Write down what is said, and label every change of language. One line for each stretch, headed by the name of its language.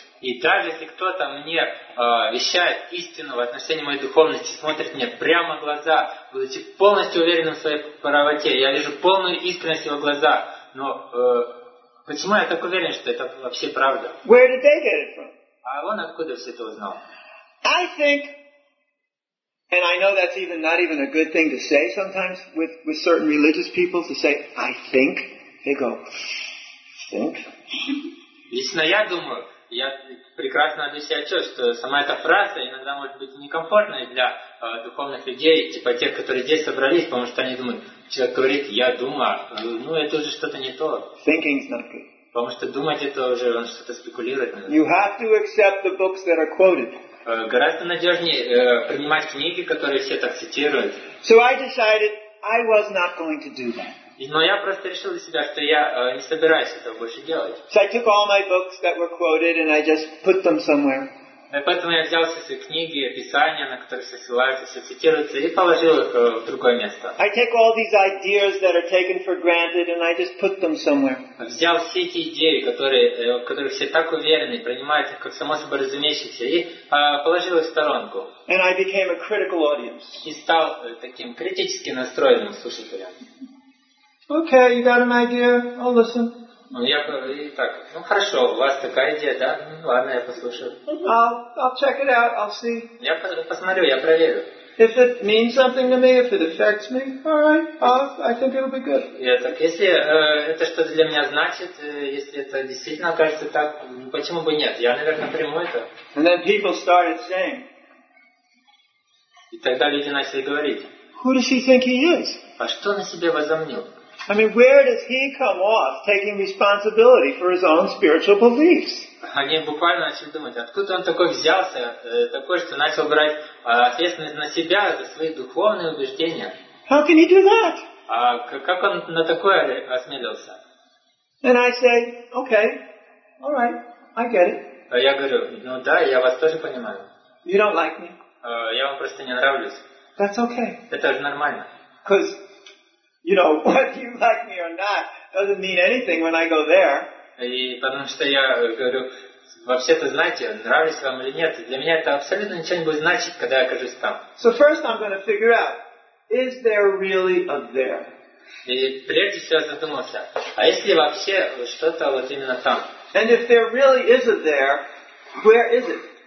Russian: И даже если кто-то мне вещает истину в отношении моей духовности, смотрит мне прямо в глаза, будучи полностью уверенным в своей правоте, я вижу полную искренность в его глазах, но почему я так уверен, что это вообще правда?
English: Where did they get it from?
Russian: А он откуда все это узнал?
English: I think, and I know that's even not even a good thing to say sometimes with certain religious people, to say, I think, they go, think.
Russian: Лично я думаю, я прекрасно объясняю отчет, что сама эта фраза иногда может быть некомфортной для духовных людей, типа тех, которые здесь собрались, потому что они думают, человек говорит, я думаю, ну это уже что-то не то.
English: Thinking's not good.
Russian: Потому что думать это уже, он что-то спекулирует.
English: You have to accept the books that are quoted.
Russian: Гораздо надежнее принимать книги, которые все так цитируют.
English: So I decided I was not going to do that.
Russian: Но я просто решил для себя, что я не собираюсь этого больше делать.
English: So I took all my books that were quoted and I just put them somewhere.
Russian: И поэтому я взял все свои книги, писания, на которые все ссылаются, все цитируются, и положил их в другое место.
English: I take all these ideas that are taken for granted and I just put them somewhere.
Russian: Взял все эти идеи, которые все так уверены, принимают их как само собой разумеющиеся, и положил их в сторонку.
English: And I became a critical audience.
Russian: И стал таким критически настроенным слушателем.
English: Okay, you got an idea? I'll listen.
Russian: Ну, я и так. Ну, хорошо, у вас такая идея, да? Ну, ладно, я послушаю.
English: I'll check it out. I'll see.
Russian: Я посмотрю, я проверю.
English: If it means something to me, if it affects me, all right, I think it'll be good.
Russian: Я так, если это что-то для меня значит, если это действительно кажется так, почему бы нет? Я, наверное, приму это.
English: And then people started saying.
Russian: И тогда люди начали говорить.
English: Who does he think he is?
Russian: А что он о себе возомнил?
English: I mean, where does he come off taking responsibility for his own spiritual beliefs?
Russian: Они буквально начали думать, откуда он такой взялся, такой, что начал брать ответственность на себя за свои духовные убеждения.
English: How can he do that?
Russian: А как он на такое осмелился?
English: And I say, okay, all right, I get it.
Russian: А я говорю, ну да, я вас тоже понимаю.
English: You don't like me.
Russian: Я вам просто не нравлюсь.
English: That's okay.
Russian: Это же нормально.
English: Because, you know, whether you like me or not doesn't mean anything when I go there.
Russian: И потому что я говорю, вообще-то, знаете, нравлюсь вам или нет, для меня это абсолютно ничего не будет значить, когда я окажусь там.
English: So first I'm going to figure out, is there really a there?
Russian: И прежде всего я задумался, а есть ли вообще что-то вот именно там?
English: And if there really is a there, where is it?